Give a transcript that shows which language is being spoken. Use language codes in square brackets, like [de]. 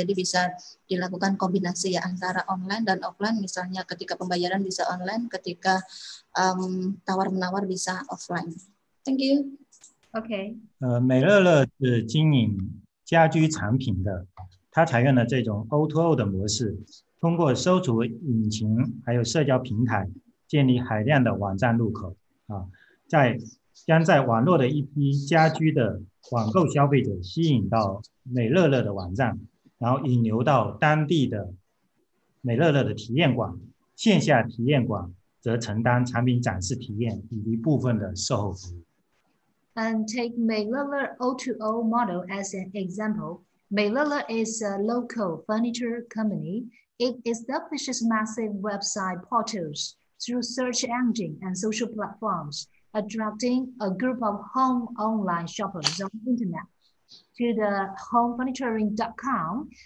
[id] Jadi bisa dilakukan kombinasi ya antara online dan offline, misalnya ketika pembayaran bisa online, ketika tawar-menawar bisa offline. [en] Thank you. Okay. [zh] 美乐乐是经营家居产品的，它采用了这种 O2O 的模式，通过搜索引擎还有社交平台建立海量的网站入口，将在网络的一批家居的网购消费者吸引到美乐乐的网站，然后引流到当地的美乐乐的体验馆，线下体验馆则承担产品展示体验以及部分的售后服务。 [en] And take Meilele O2O model as an example. Meilele is a local furniture company. It establishes massive website portals through search engine and social platforms, attracting a group of home online shoppers on the internet to the homefurnituring.com.